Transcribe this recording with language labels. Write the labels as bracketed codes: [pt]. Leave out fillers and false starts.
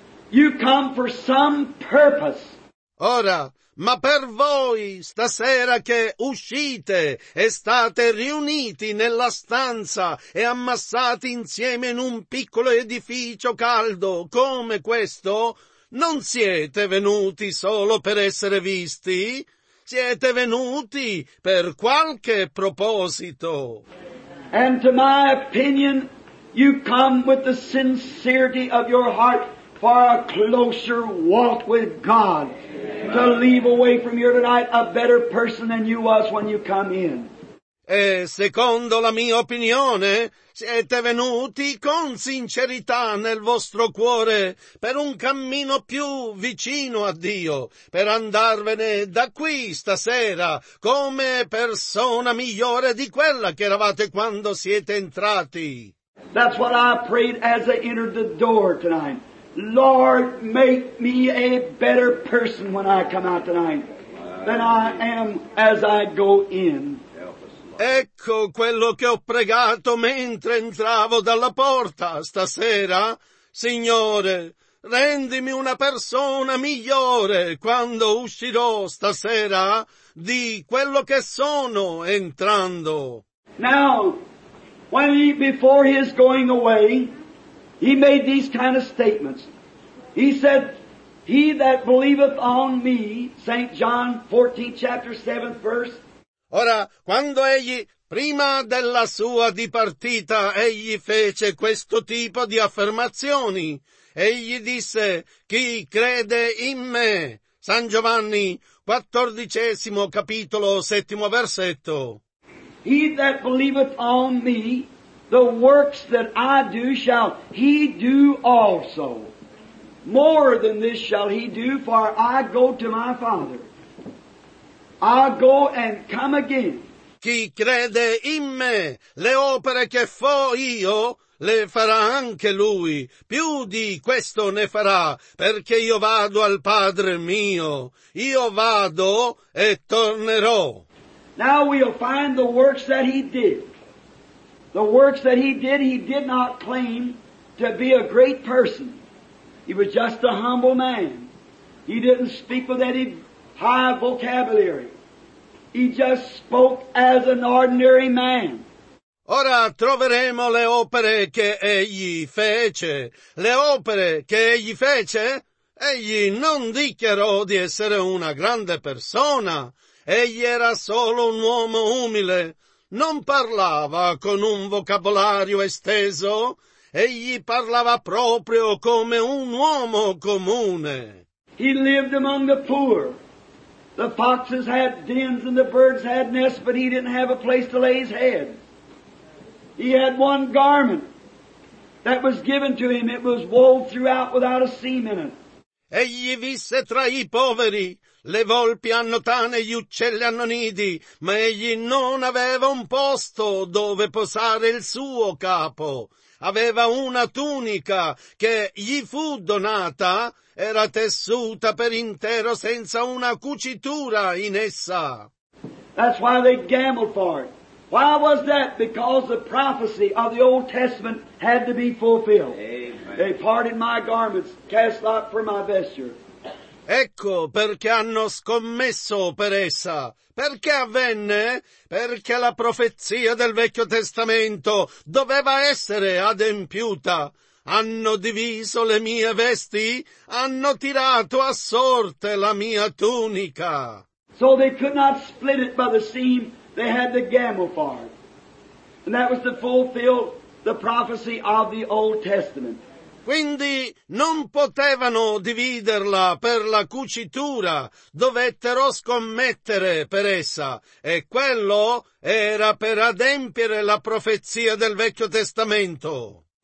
[en] You come for some purpose. [it] Ora, ma per voi stasera che uscite e state riuniti nella stanza e ammassati insieme in un piccolo edificio caldo come questo, non siete venuti solo per essere visti? Siete venuti per qualche proposito. [en] And to my opinion, you come with the sincerity of your heart for a closer walk with God. Amen. To leave away from here tonight a better person than you was when you come in. [it] E secondo la mia opinione, siete venuti con sincerità nel vostro cuore per un cammino più vicino a Dio, per andarvene da qui stasera come persona migliore di quella che eravate quando siete entrati. [en] That's what I prayed as I entered the door tonight. Lord, make me a better person when I come out tonight than I am as I go in. [it] Ecco quello che ho pregato mentre entravo dalla porta stasera. Signore, rendimi una persona migliore quando uscirò stasera di quello che sono entrando. [en] Now, when he, before his going away, he made these kind of statements. He said, he that believeth on me, St. John 14, chapter 7, verse. [it] Ora, quando egli Prima della sua dipartita, egli fece questo tipo di affermazioni. Egli disse, chi crede in me? San Giovanni, 14 capitolo, 7 versetto. [en] He that believeth on me, the works that I do shall he do also. More than this shall he do, for I go to my Father. I go and come again. [it] Chi crede in me, le opere che fo io, le farà anche lui. Più di questo ne farà, perché io vado al Padre mio. Io vado e tornerò. [en] Now we'll find the works that he did. The works that he did not claim to be a great person. He was just a humble man. He didn't speak with any high vocabulary. He just spoke as an ordinary man. [it] Ora troveremo le opere che egli fece. Le opere che egli fece? Egli non dichiarò di essere una grande persona. Egli era solo un uomo umile. Non parlava con un vocabolario esteso. Egli parlava proprio come un uomo comune. [en] He lived among the poor. The foxes had dens and the birds had nests, but he didn't have a place to lay his head. He had one garment that was given to him. It was wove throughout without a seam in it. [it] Egli visse tra i poveri. Le volpi hanno tane, gli uccelli hanno nidi, ma egli non aveva un posto dove posare il suo capo. Aveva una tunica che gli fu donata, era tessuta per intero senza una cucitura in essa. [en] That's why they gambled for it. Why was that? Because the prophecy of the Old Testament had to be fulfilled. Amen. They parted my garments, cast lot for my vesture. [it] Ecco perché hanno scommesso per essa. Perché avvenne? Perché la profezia del Vecchio Testamento doveva essere adempiuta. Hanno diviso le mie vesti, hanno tirato a sorte la mia tunica. [en] So they could not split it by the seam, they had to gamble for it. And that was to fulfill the prophecy of the Old Testament. [it] Quindi non potevano dividerla per la cucitura, dovettero scommettere per essa, e quello era per adempiere la profezia del Vecchio Testamento.